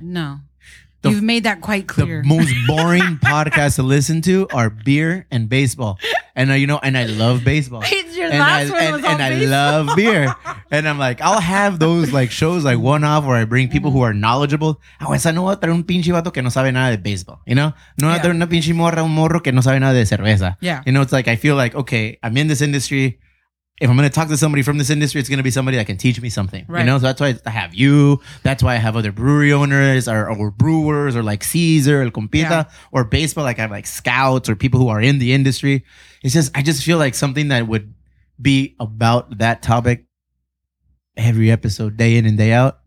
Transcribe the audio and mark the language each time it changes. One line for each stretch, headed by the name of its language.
English: No. You've made that quite clear. The most boring podcasts to listen to are beer and baseball. And I love baseball. Your last one was baseball. I love beer. And I'm like, I'll have those like shows like one off where I bring people who are knowledgeable.
Spanish: Ah, esa no va a traer un pinche vato que no sabe nada de baseball.
English: You know?
Spanish: No va a traer una pinche morra, un morro que no sabe nada de cerveza.
English: Yeah. You know, it's like, I feel like, okay, I'm in this industry. If I'm going to talk to somebody from this industry, it's going to be somebody that can teach me something. Right. You know, so that's why I have you. That's why I have other brewery owners or brewers or like Caesar, El Compita, or baseball. Like I have like scouts or people who are in the industry. It's just, I just feel like something that would be about that topic every episode, day in and day out.